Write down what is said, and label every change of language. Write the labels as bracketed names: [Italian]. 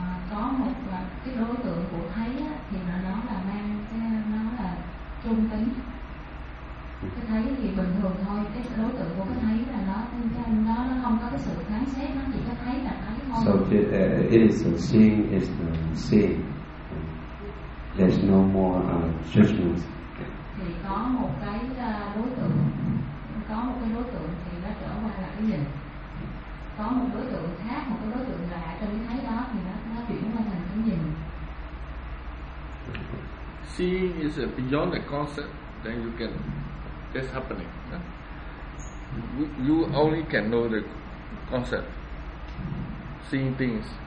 [Vietnamese] Có một là cái đối tượng của thấy á, thì nó là mang cái nó là trung tính. Cái thấy thì bình thường thôi, cái đối tượng của cái thấy là nó không có cái sự phán xét, nó chỉ có thấy là thấy thôi. [English] So it is the seeing is the seeing. There's no more judgments. [Vietnamese] Thì có một cái đối tượng, có một cái đối tượng thì nó trở qua là cái nhìn. Có một đối tượng khác, một cái đối tượng lạ trong cái thấy đó thì nó chuyển qua thành cái nhìn. [English] Seeing is beyond the concept, then you can. It's happening. You only can know the concept, seeing things.